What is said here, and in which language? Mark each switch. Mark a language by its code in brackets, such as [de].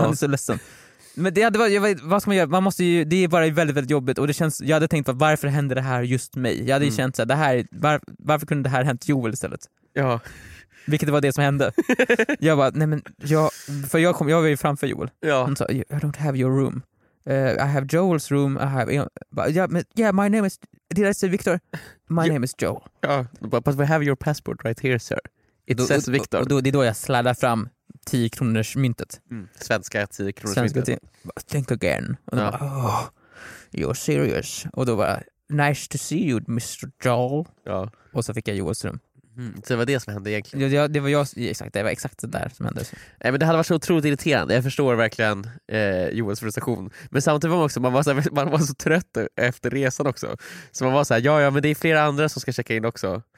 [sv] Han är så ledsen. Men det hade varit, vad ska man göra? Man måste ju, det är bara väldigt väldigt jobbigt, och det känns, jag hade tänkt, varför hände det här just mig? Jag hade ju känt så här, varför kunde det här hänt Joel istället? Ja. Vilket var det som hände. Jag bara, nej men jag var ju framför Joel. Ja. Han sa, [en] I don't have your room. I have Joel's room. I have, yeah, my name is, did I say Victor? My name is Joel. Yeah, but we have your passport right here, sir. It says Victor. [sv] Och då, det är då jag sladdar fram 10 kroners myntet. Mm. Svenska 10 kroners myntet. [en] Think again. [sv] Och bara, [en] oh, you're serious. [sv] Och då bara, [en] nice to see you, Mr. Joel. Yeah. [sv] Och så fick jag Joels room. Mm. Så det var det som hände egentligen. Det var exakt det där som hände. Men det hade varit så otroligt irriterande. Jag förstår verkligen Joels frustration. Men samtidigt var man så trött efter resan också. Så man var så här, ja, men det är flera andra som ska checka in också.